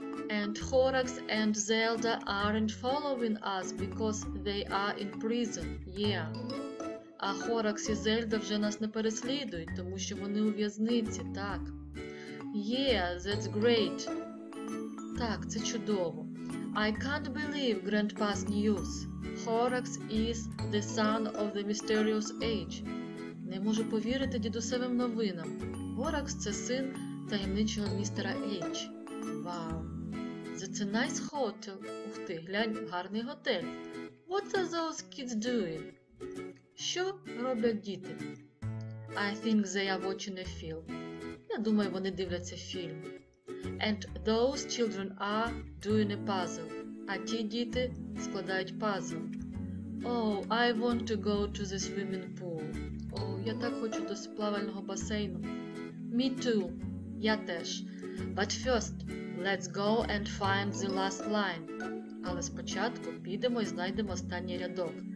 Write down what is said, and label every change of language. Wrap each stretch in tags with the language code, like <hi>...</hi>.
<en>And Horax and Zelda aren't following us because they are in prison. Yeah.</en> <uk>А Horax і Zelda вже нас не переслідують, тому що вони у в'язниці, так.</uk> <en>Yeah, that's great.</en> <uk>Так, це чудово.</uk> <en>I can't believe Grandpa's news. Horax is the son of the mysterious age.</en> <uk>Не можу повірити дідусевим новинам. Horax – це син таємничого містера H. Вау. Wow.</uk> <en>That's a nice hotel.</en> <uk>Ух ти, глянь, гарний готель.</uk> <en>What are those kids doing?</en> <uk>Що роблять діти?</uk> <en>I think they are watching a film.</en> <uk>Я думаю, вони дивляться фільм.</uk> <en>And those children are doing a puzzle.</en> <uk>А ті діти складають пазл.</uk> <en>Oh, I want to go to the swimming pool.</en> <uk>Oh, я так хочу до плавального басейну.</uk> <en>Me too.</en> <uk>Я теж.</uk> <en>But first, let's go and find the last line.</en> <uk>Але спочатку підемо і знайдемо останній рядок.</uk>